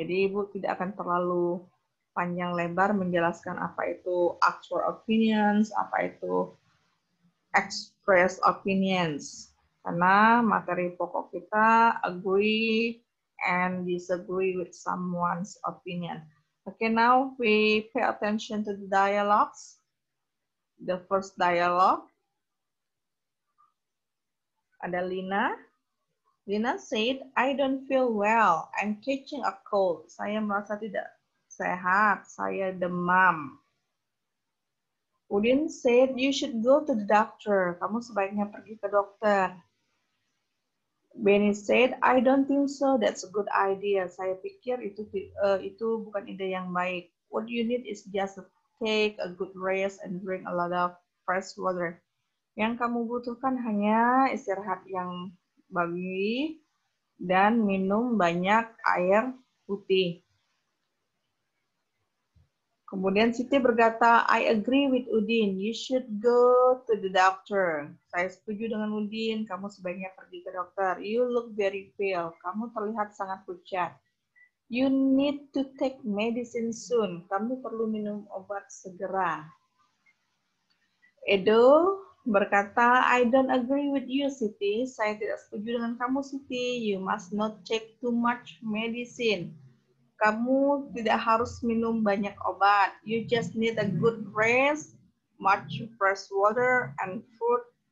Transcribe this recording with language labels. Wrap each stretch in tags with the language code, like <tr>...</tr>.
<id>Jadi Ibu tidak akan terlalu panjang lebar menjelaskan apa itu actual opinions, apa itu express opinions. Karena materi pokok kita</id> <en>agree and disagree with someone's opinion. Okay, now we pay attention to the dialogues. The first dialogue, ada Lina. Lina said, I don't feel well. I'm catching a cold.</en> <id>Saya merasa tidak sehat. Saya demam.</id> <en>Udin said, you should go to the doctor.</en> <id>Kamu sebaiknya pergi ke dokter.</id> <en>Benny said, I don't think so. That's a good idea.</en> <id>Saya pikir itu bukan ide yang baik.</id> <en>What you need is just a take a good rest and drink a lot of fresh water.</en> <id>Yang kamu butuhkan hanya istirahat yang bagus dan minum banyak air putih. Kemudian Siti berkata,</id> <en>I agree with Udin. You should go to the doctor.</en> <id>Saya setuju dengan Udin. Kamu sebaiknya pergi ke dokter.</id> <en>You look very pale.</en> <id>Kamu terlihat sangat pucat.</id> <en>You need to take medicine soon.</en> <id>Kamu perlu minum obat segera. Edo berkata,</id> <en>I don't agree with you, Siti.</en> <id>Saya tidak setuju dengan kamu, Siti.</id> <en>You must not take too much medicine.</en> <id>Kamu tidak harus minum banyak obat.</id> <en>You just need a good rest, much fresh water and fruit.</en>